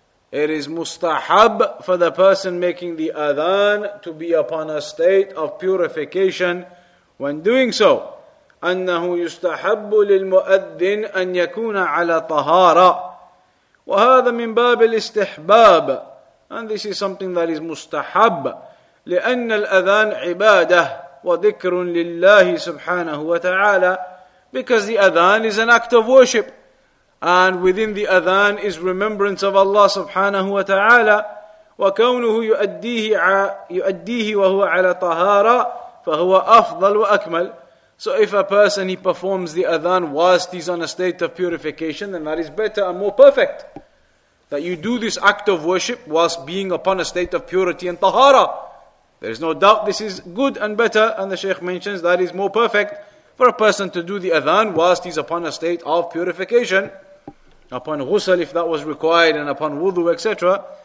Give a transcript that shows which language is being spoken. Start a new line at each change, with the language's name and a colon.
English: It is mustahab for the person making the adhan to be upon a state of purification when doing so.
Arabic: أنه يستحب للمؤذن أن يكون على طهارة وهذا من باب الاستحباب.
English: And this is something that is مستحب,
Arabic: لأن الأذان عبادة وذكر لله سبحانه وتعالى,
English: because the adhan is an act of worship, and within the adhan is remembrance of Allah
Arabic: سبحانه وتعالى. وكونه يؤديه وهو على طهارة فهو أفضل وأكمل.
English: So if a person, he performs the adhan whilst he's on a state of purification, then that is better and more perfect. That you do this act of worship whilst being upon a state of purity and tahara. There is no doubt this is good and better, and the Shaykh mentions that is more perfect for a person to do the adhan whilst he's upon a state of purification, upon ghusl if that was required, and upon wudu, etc.